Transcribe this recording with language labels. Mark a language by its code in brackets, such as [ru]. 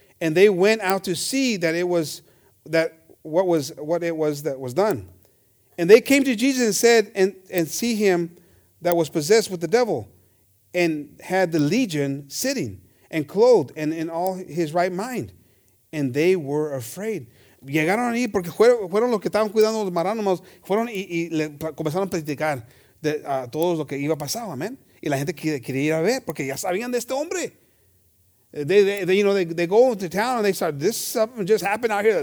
[en] And they went out to see that it was that what it was that was done. And they came to Jesus and said, and see him that was possessed with the devil and had the legion sitting and clothed and in all his right mind. And they were afraid. [es] Llegaron ahí porque fueron los que estaban cuidando los marranos. Fueron y le comenzaron a platicar de todo lo que iba a pasar. Amen. Y la gente quería ir a ver porque ya sabían de este hombre. [en] They go into town and they start, this something just happened out here.